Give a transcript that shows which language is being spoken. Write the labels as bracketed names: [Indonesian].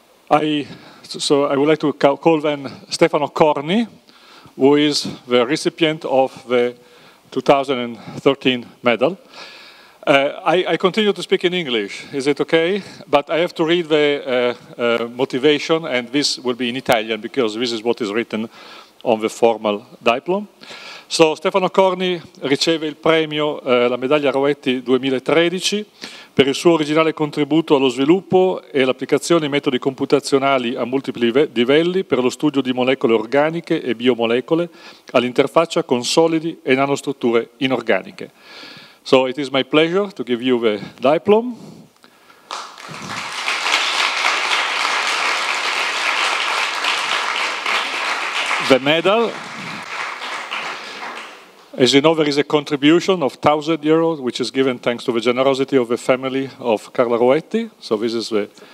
[English] I would like to call then Stefano Corni, who is the recipient of the 2013 medal. I continue to speak in English, is it okay? But I have to read the motivation, and this will be in Italian because this is what is written on the formal diploma. [Italian] So Stefano Corni riceve il premio, la medaglia Roetti 2013, per il suo originale contributo allo sviluppo e l'applicazione di metodi computazionali a multipli livelli per lo studio di molecole organiche e biomolecole all'interfaccia con solidi e nanostrutture inorganiche. [English] So it is my pleasure to give you the diploma. The medal. As you know, there is a contribution of 1,000 euros, which is given thanks to the generosity of the family of Carla Roetti. So this is the...